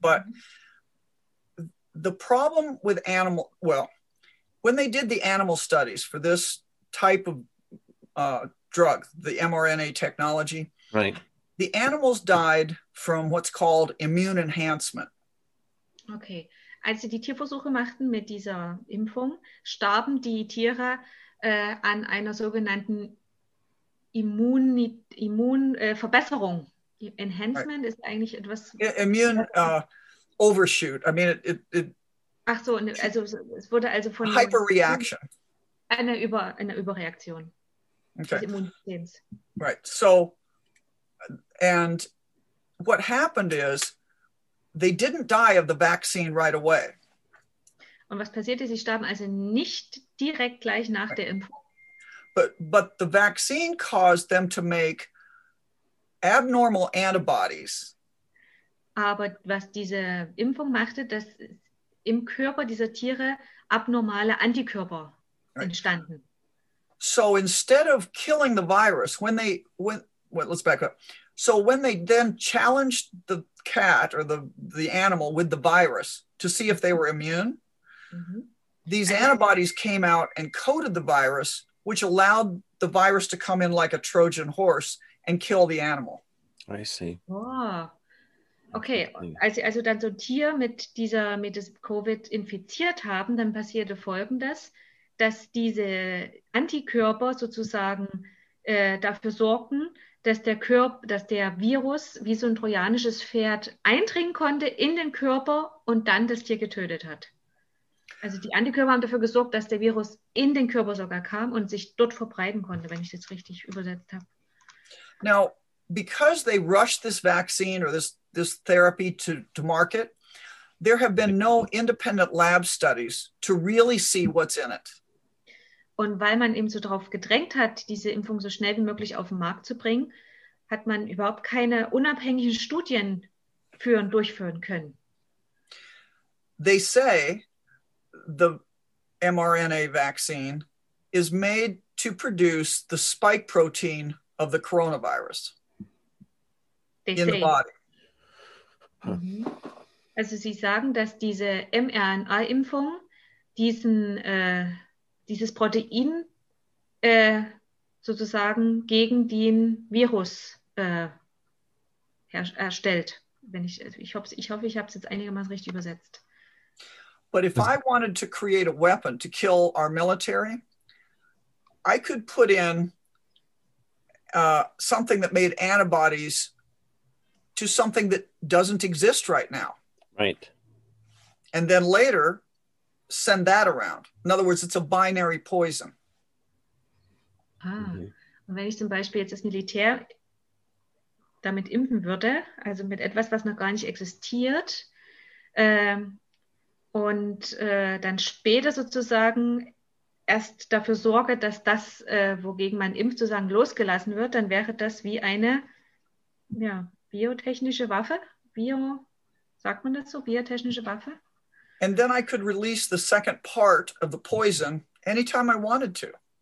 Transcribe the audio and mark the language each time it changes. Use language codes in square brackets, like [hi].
[en] But the problem with animal, well, when they did the animal studies for this type of drug, the mRNA technology, right, the animals died from what's called immune enhancement. Okay. [de] Als sie die Tierversuche machten mit dieser Impfung, starben die Tiere an einer sogenannten Immunverbesserung. [en] Enhancement right. [de] ist eigentlich etwas... [en] Immune overshoot. I mean, it... [de] Ach so, also es wurde also von... [en] Hyperreaction. [de] Eine Überreaktion. [en] Okay. [de] Des Immunsystems. [en] Right, so... And what happened is, they didn't die of the vaccine right away. [de] Und was passierte? Sie starben also nicht direkt gleich nach [en] right. [de] der Impfung. [en] But the vaccine caused them to make abnormal antibodies. [de] Aber was diese Impfung machte, dass im Körper dieser Tiere abnormale Antikörper [en] right. [de] entstanden. [en] So instead of killing the virus, let's back up. So when they then challenged the cat or the animal with the virus to see if they were immune, these antibodies came out and coated the virus, which allowed the virus to come in like a Trojan horse and kill the animal. I see. Oh. [de] Okay, als sie also dann so ein Tier mit Covid infiziert haben, dann passierte Folgendes, dass diese Antikörper sozusagen dafür sorgten, dass der Virus wie so ein trojanisches Pferd eindringen konnte in den Körper und dann das Tier getötet hat. Also die Antikörper haben dafür gesorgt, dass der Virus in den Körper sogar kam und sich dort verbreiten konnte, wenn ich das richtig übersetzt habe. [en] Now, because they rushed this vaccine or this therapy to market, there have been no independent lab studies to really see what's in it. [de] Und weil man eben so darauf gedrängt hat, diese Impfung so schnell wie möglich auf den Markt zu bringen, hat man überhaupt keine unabhängigen Studien durchführen können. [en] They say the mRNA vaccine is made to produce the spike protein of the coronavirus in the body. [de] Also sie sagen, dass diese mRNA-Impfung dieses Protein sozusagen gegen den Virus erstellt. Ich habe es jetzt einigermaßen richtig übersetzt. [en] But if I wanted to create a weapon to kill our military, I could put in something that made antibodies to something that doesn't exist right now. Right. And then later send that around. In other words, it's a binary poison. [de] Ah, und wenn ich zum Beispiel jetzt das Militär damit impfen würde, also mit etwas, was noch gar nicht existiert, und dann später sozusagen erst dafür sorge, dass das, wogegen man impft, sozusagen losgelassen wird, dann wäre das wie eine biotechnische Waffe. Sagt man das so? Biotechnische Waffe? [en] And then I could release the second part of the poison anytime I wanted to.